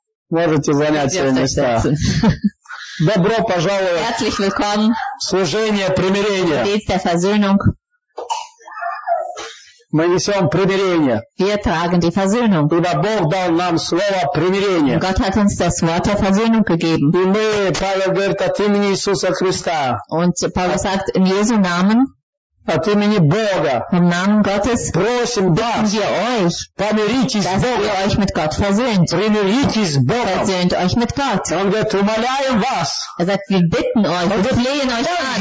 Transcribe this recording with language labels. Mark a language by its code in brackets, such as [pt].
[ru] Можете занять свои места. Добро пожаловать. [de] Herzlich willkommen. [ru] Служение примирения. [de] Dienst der Versöhnung. [ru] Мы несем примирение. Ибо Бог дал нам слово примирения. [de] Gott hat uns das Wort der Versöhnung gegeben. [ru] И мы, Павел говорит, от имени Иисуса Христа. [de] Und Paulus sagt, in Jesu Namen, [ru] от имени Бога. [de] Im Namen Gottes, [ru] просим вас, [de] wir euch, [ru] помиритесь с Богом. [de] Ihr euch mit Gott versöhnt. [ru] Примиритесь с Богом. [de] Versöhnt euch mit Gott. [ru] Он говорит, умоляем вас. [de] Er sagt, wir bitten euch, wir flehen euch an.